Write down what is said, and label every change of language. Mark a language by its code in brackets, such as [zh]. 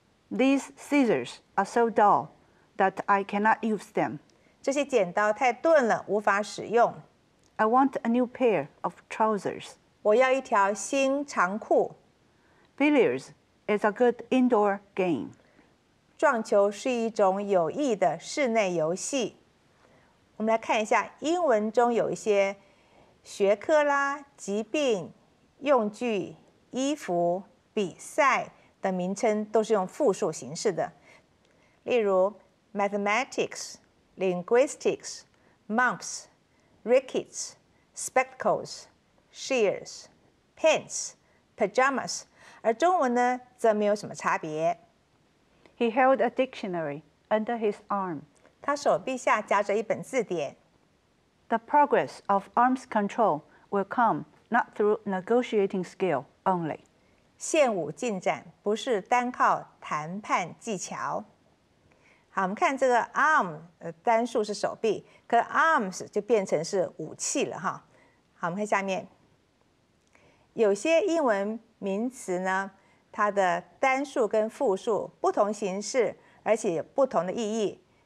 [en] These scissors are so dull that I cannot use them. [zh] 这些剪刀太钝了，无法使用。 [en] I want a new pair of trousers. [zh] 我要一条新长裤。 [en] Billiards is a good indoor game. [zh] 撞球是一种有益的室内游戏。我们来看一下英文中有一些学科啦、疾病、用具、衣服、比赛的名称都是用复数形式的。例如 , [en] mathematics, linguistics, mumps, rickets, spectacles, shears, pants, pajamas, [zh] 而中文呢则没有什么差别。 [en] He held a dictionary under his arm. [zh] 他手臂下夹着一本字典。 [en] The progress of arms control will come not through negotiating skill only. [zh] 现武进展不是单靠谈判技巧。好，我们看这个 arm， 单数是手臂，可 arms 就变成是武器了哈。好，我们看下面，有些英文名词呢，它的单数跟复数不同形式，而且有不同的意义。